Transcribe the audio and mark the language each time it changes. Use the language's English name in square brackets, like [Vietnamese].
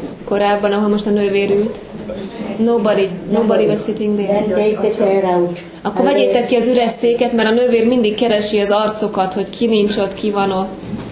[Hungarian] Korábban, ahol most a nővér ült. [English] Nobody was sitting there. [Hungarian] Akkor vegyétek ki az üres széket, mert a nővér mindig keresi az arcokat, hogy ki nincs ott, ki van ott.